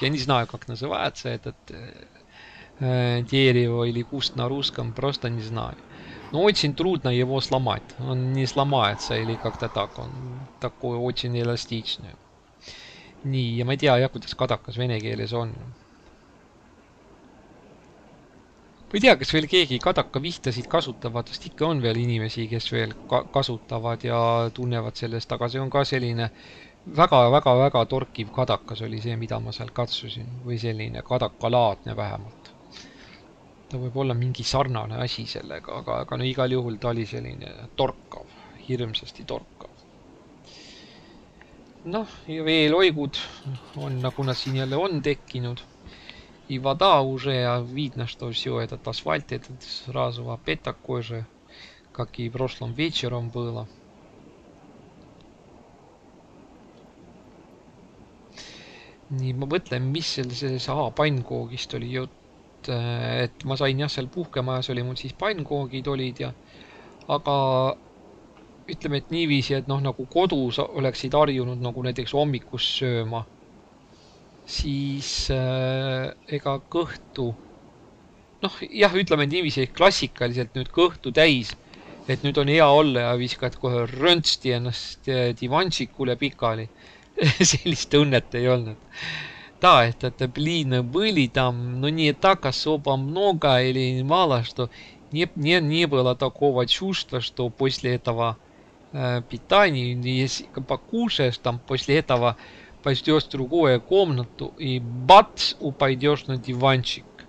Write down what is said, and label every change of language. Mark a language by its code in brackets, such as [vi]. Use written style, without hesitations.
[ru] Я не знаю, как называется этот... дерево или куст на русском, просто не знаю. Но очень трудно его сломать. Он не сломается или как-то так. Он такой очень эластичный. Не, я не знаю, как это [et] кадакас в венекеелес он. ma ei tea , kas veel keegi kadakavihtasid kasutavad , sest ikka on veel inimesi , kes veel kasutavad ja tunnevad sellest , aga see on ka selline väga-väga-väga torkiv kadakas oli see , mida ma seal katsusin või selline kadakalaadne vähemalt . ta võib olla mingi sarnane asi sellega , aga no igal juhul ta oli selline torkav , hirmsasti torkav . Noh , ja veeloigud on , nagu nad siin jälle on tekkinud . [ru] И вода уже видно, что все этот асфальт, этот сразу опять такой же, как и прошлым вечером было. [et] Nii, ma mõtlen, mis selles pannkoogist oli jutt, et ma sain jah, seal puhkemajas oli mul siis pannkoogid olid ja, aga ütleme, et niiviisi, et noh, nagu kodus oleksid harjunud nagu näiteks hommikus sööma, siis ega kõhtu, noh, jah, ütleme niiviisi, et klassikaliselt nüüd kõhtu täis, et nüüd on hea olla ja viskad kohe röntsti ennast divansikule pikali. Sellist õnnet ei olnud. [ru] Да, это блин, были там, но не так особо много или мало, что не было такого чувства, что после этого питания, если покушаешь там, после этого пойдешь в другую комнату и бац, упадешь на диванчик.